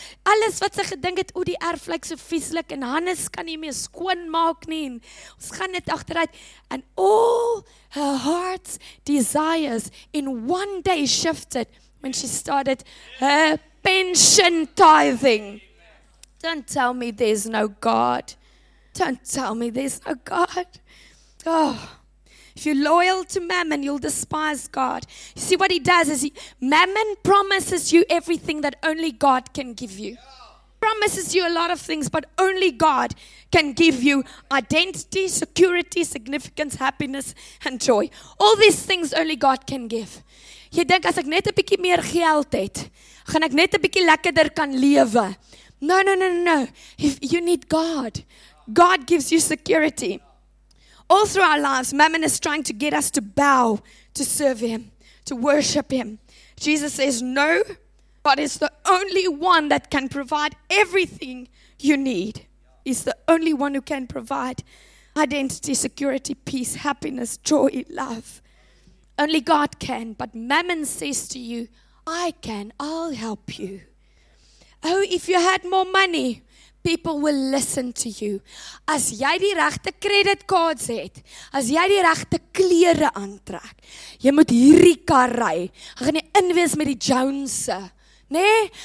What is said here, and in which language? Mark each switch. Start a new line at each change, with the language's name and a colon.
Afrikaans: Alles wat sy gedink het, die erf lyk so vieslik en Hannes kan nie meer skoon maak nie. Ons gaan dit agteruit.
English: And all her heart's desires in one day shifted when she started her pension tithing. Don't tell me there's no God. Don't tell me there's no God. Oh, if you're loyal to mammon, you'll despise God. You see what he does is mammon promises you everything that only God can give you. Promises you a lot of things, but only God can give you identity, security, significance, happiness, and joy. All these things only God can give.
Afrikaans: Jy dink as ek net 'n bietjie meer geld het, gaan ek net 'n bietjie lekkerder kan lewe.
English: No. If you need God. God gives you security. All through our lives, mammon is trying to get us to bow, to serve him, to worship him. Jesus says, no, God is the only one that can provide everything you need. He's the only one who can provide identity, security, peace, happiness, joy, love. Only God can, but mammon says to you, I can, I'll help you. Oh, if you had more money, people will listen to you.
Afrikaans: As jy die regte credit cards het, as jy die regte klere aantrek, jy moet hierdie kar ry. Jy gaan nie inwees met die Joneses, né?